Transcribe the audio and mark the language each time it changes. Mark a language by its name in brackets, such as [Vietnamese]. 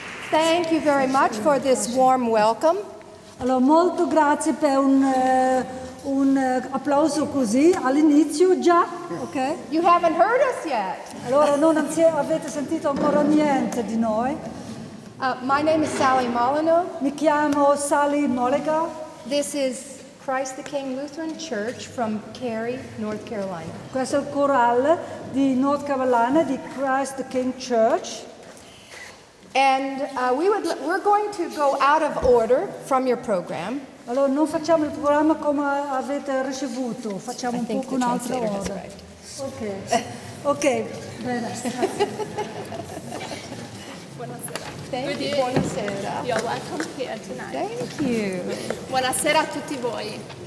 [English] Thank you very much for this warm welcome. [Italian] Allora, molto grazie per un applauso così all'inizio già, ok? [English] You haven't heard us yet. [Italian] Allora, non avete sentito ancora niente di noi. [English] My name is Sally Molyneux. [Italian] Mi chiamo Sally Molyneux. [English] This is Christ the King Lutheran Church from Cary, North Carolina. [Italian] Questo è il corale di North Carolina, di Christ the King Church. [English] And we're going to go out of order from your program. [Italian] Allora, non facciamo il programma come avete ricevuto, facciamo un po' un'altra ordine. [English] Right. Okay. Okay. [Italian] Bene. Buonasera. [English] Thank you. You're welcome here tonight. Thank you. [Italian] Buonasera a tutti voi.